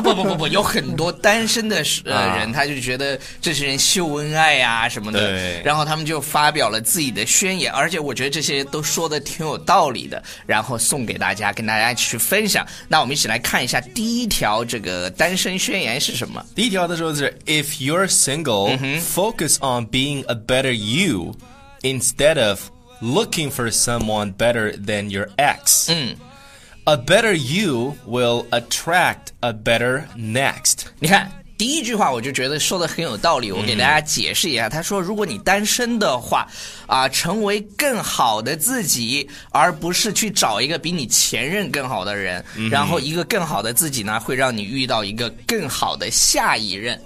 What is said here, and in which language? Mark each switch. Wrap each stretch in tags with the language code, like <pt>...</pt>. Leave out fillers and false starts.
<zh>不，有很多单身的人，他就觉得这些人秀恩爱啊什么的，对，然后他们就发表了自己的宣言，而且我觉得这些都说的挺有道理的，然后送给大家，跟大家去分享。那我们一起来看一下第一条这个单身宣言是什么？第一条的时候是</zh> <en>If you're single。 Focus on being a better you instead of looking for someone better than your ex.、嗯、 a better you will attract a better next.</en> <zh>你看第一句话我就觉得说的很有道理，我给大家解释一下、嗯、他说如果你单身的话啊，成为更好的自己，而不是去找一个比你前任更好的人、嗯、然后一个更好的自己呢会让你遇到一个更好的下一任。</zh>